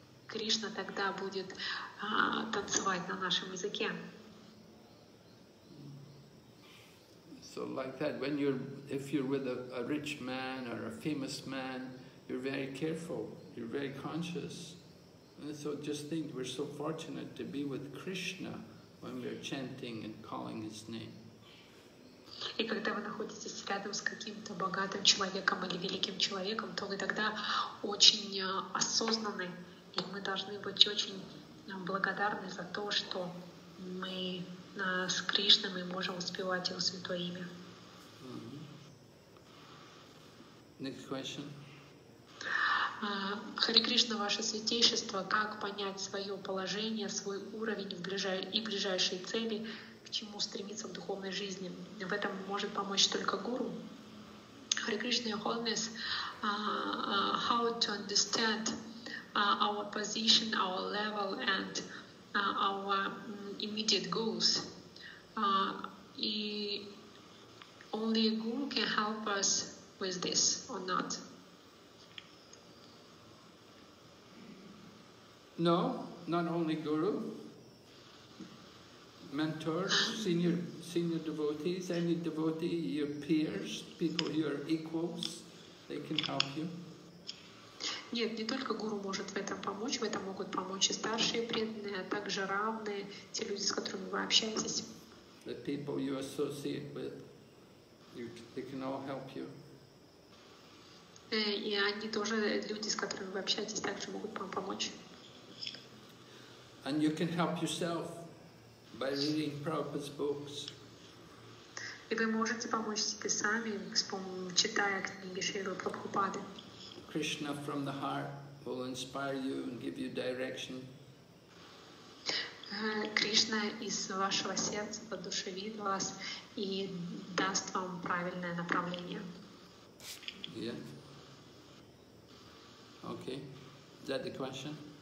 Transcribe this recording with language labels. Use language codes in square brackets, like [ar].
[ru] Кришна тогда будет танцевать на нашем языке. [en] So like that, when you're, if you're with a rich man or a famous man, you're very careful, you're very conscious. And so just think, we're so fortunate to be with Krishna when we're chanting and calling his name. [ru] И когда вы находитесь рядом с каким-то богатым человеком или великим человеком, то вы тогда очень осознанны. И мы должны быть очень благодарны за то, что мы с Кришной мы можем успевать Его Святое Имя. [en] Mm-hmm. Next question. [ru] Харе Кришна, Ваше Святейшество, как понять свое положение, свой уровень и ближайшие цели, к чему стремиться в духовной жизни? В этом может помочь только Гуру. [en] Харе Кришна, Your Holiness, how to understand our position, our level, and our immediate goals. Only a guru can help us with this or not? No, not only guru. Mentors, senior devotees, any devotee, your peers, people your equals, they can help you. [ru] Нет, не только гуру может в этом помочь, в этом могут помочь и старшие преданные, а также равные, те люди, с которыми вы общаетесь. [en] The people you associate with, they can all help you. [ru] И они тоже, люди, с которыми вы общаетесь, также могут вам помочь. [en] And you can help yourself by reading Prabhupada's books. [ru] И вы можете помочь себе сами, читая книги Шрилы Прабхупады. [en] Krishna from the heart will inspire you and give you direction. [ru] Krishna из вашего сердца воодушевит вас и даст вам правильное направление. [en] Yeah. Okay. Is that the question?